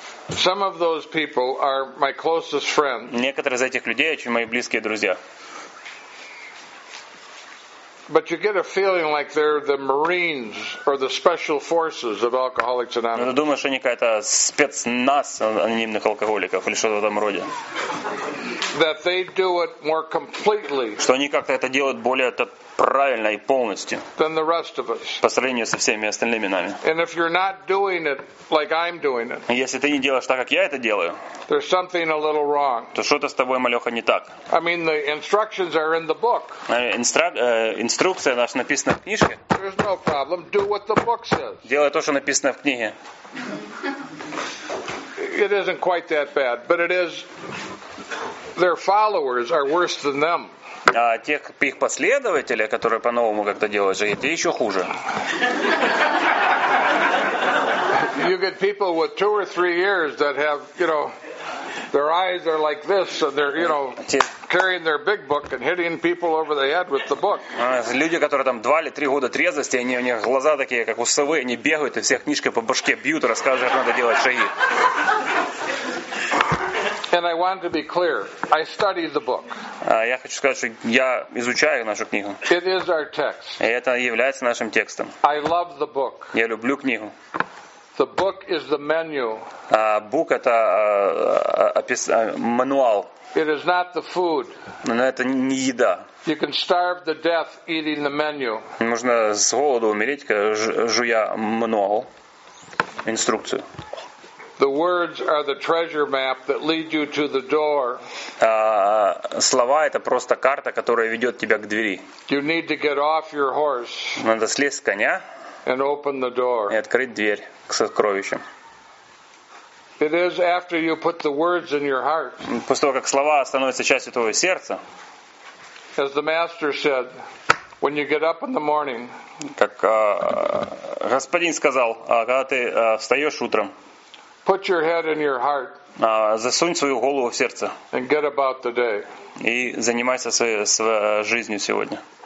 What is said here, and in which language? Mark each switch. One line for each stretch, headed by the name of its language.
English: Some of those people are my closest friends.
Russian: Некоторые из этих людей очень мои близкие друзья.
English: But you get a feeling like they're the Marines or the special forces of Alcoholics Anonymous.
Russian: Ты думаешь, что они какая-то спецназ анонимных алкоголиков или что-то в этом роде?
English: That they do it more completely.
Russian: Что они как-то это делают более правильно и полностью.
English: Than the rest of us.
Russian: По сравнению со всеми остальными нами.
English: And if you're not doing it like I'm doing it.
Russian: Если ты не делаешь так, как я это делаю.
English: There's something a little wrong.
Russian: То что-то с тобой, малеха, не так.
English: I mean, the instructions are in the book.
Russian: Инструкция наша написана в книжке.
English: There's no problem. Do what the book says.
Russian: Делай то, что написано в книге.
English: It isn't quite that bad, but it is. Their followers are worse than them.
Russian: А те их последователи, которые по-новому как-то делают, это еще хуже.
English: You get people with 2 or 3 years that have, you know, their eyes are like this, so they're, you know, carrying their big book and hitting people over the head with the book.
Russian: Люди, которые там 2 или 3 года трезвости, они у них глаза такие, как у совы, они бегают и всех книжкой по башке бьют, рассказывают, как надо делать шаги.
English: And I want to be clear. I study the book.
Russian: Я хочу сказать, что я изучаю нашу книгу.
English: It is our text.
Russian: И это является нашим текстом.
English: I love the book.
Russian: Я люблю книгу.
English: The book is the menu.
Russian: Book это мануал.
English: It is not the food.
Russian: Но это не еда.
English: You can starve to death eating the menu.
Russian: Можно с голоду умереть, жуя мануал, инструкцию.
English: The words are the treasure map that lead you to the door.
Russian: Слова это просто карта, которая ведет тебя к двери.
English: You need to get off your horse.
Russian: Надо слезть с коня.
English: And open the door.
Russian: И открыть дверь к сокровищам.
English: It is after you put the words in your heart.
Russian: После того как слова становятся частью твоего сердца.
English: As the master said, when you get up in the morning.
Russian: Как господин сказал, когда ты встаешь утром.
English: Put your head in your heart.
Russian: Засунь свою голову в сердце.
English: And get about the day.
Russian: И занимайся своей жизнью сегодня.